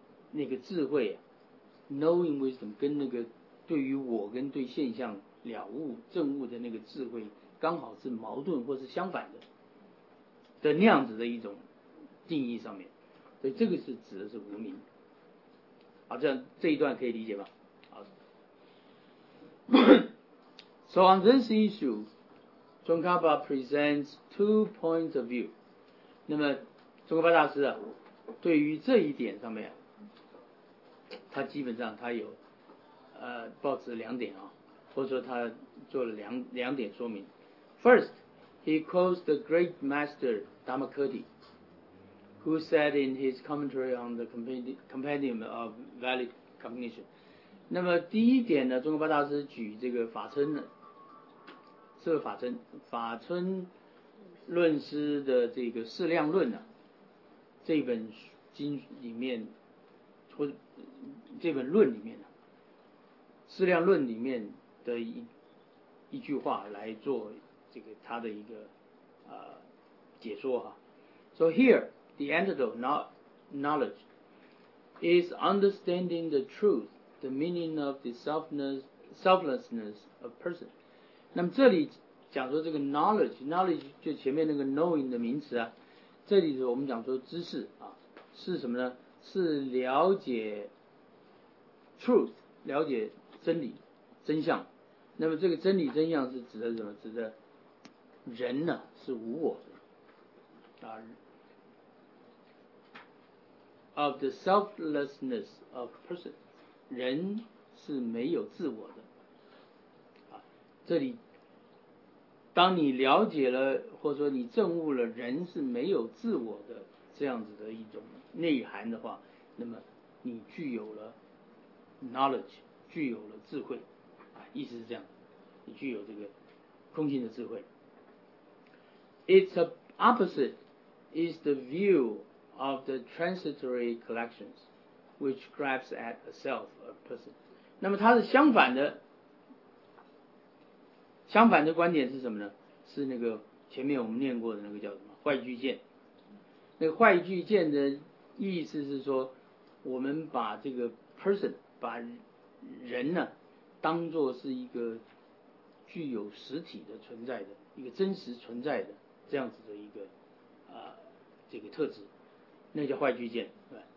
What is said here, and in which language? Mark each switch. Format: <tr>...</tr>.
<zh>那个智慧</zh> <en>knowing wisdom，</en> <zh>跟那个对于我跟对现象了悟证悟的那个智慧刚好是矛盾或是相反的那样子的一种定义上面。所以这个是指的是无明。好，这样这一段可以理解吧。</zh> <en>好So on this issue, Tsongkhapa presents two points of view.</en> <zh>那么宗喀巴大师啊，对于这一点上面，他基本上他有抱持两点啊，或者说他做了两点说明。</zh> <en>First, he quotes the great master Dhammakirti, who said in his commentary on the compendium of valid cognition.</en> <zh>那么第一点呢，宗喀巴大师举这个法称呢。是法村论师的这个《适量论》啊，这本经里面，或这本论里面，《适量论》里面的一句话来做这个他的一个解说啊。</zh> <en>So here, the antidote, knowledge, is understanding the truth, the meaning of the selflessness of person.</en> <zh>那么这里讲说这个 knowledge 就前面那个 knowing 的名词啊，这里头我们讲说知识啊，是什么呢？是了解 truth， 了解真理真相。那么这个真理真相是指的什么？指的人呢、啊、是无我的啊，</zh> <en>of the selflessness of person，</en> <zh>人是没有自我的啊。这里当你了解了或者说你证悟了人是没有自我的这样子的一种内涵的话，那么你具有了 knowledge， 具有了智慧啊，意思是这样，你具有这个空性的智慧。</zh> <en>Its opposite is the view of the transitory collections which grabs at a self, a person.</en> <zh>那么它是相反的观点是什么呢？是那个前面我们念过的那个叫什么坏句见。那个坏句见的意思是说，我们把这个 person， 把人呢、啊、当作是一个具有实体的存在的一个真实存在的这样子的一个这个特质，那叫坏句见，对吧？</zh>